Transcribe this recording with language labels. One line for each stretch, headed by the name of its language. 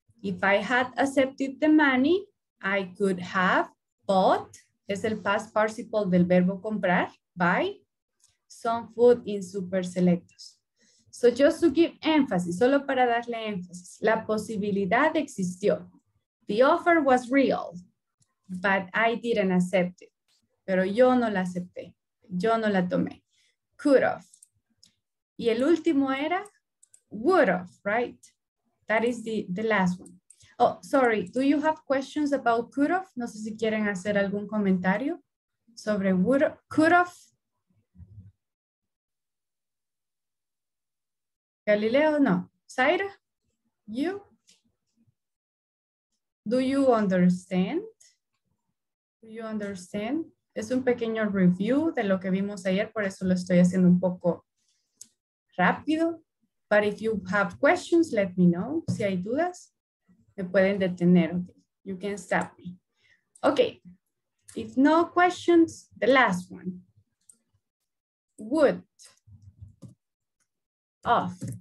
English: If I had accepted the money, I could have bought,
Spanish: es el past participle del verbo comprar,
English: buy some food in super selectos. So just to give emphasis,
Spanish: solo para darle énfasis, la posibilidad existió.
English: The offer was real, but I didn't accept it.
Spanish: Pero yo no la acepté. Yo no la tomé.
English: Could have.
Spanish: Y el último era would have,
English: right? That is the last one. Oh, sorry. Do you have questions about could have?
Spanish: No sé si quieren hacer algún comentario sobre would have, could have.
English: Galileo, no. Zaira, you? Do you understand? Do you understand?
Spanish: Es un pequeño review de lo que vimos ayer, por eso lo estoy haciendo un poco rápido.
English: But if you have questions, let me know.
Spanish: Si hay dudas, me pueden detener. Okay.
English: You can stop me.
Spanish: Okay.
English: If no questions, the last one. Would. Off.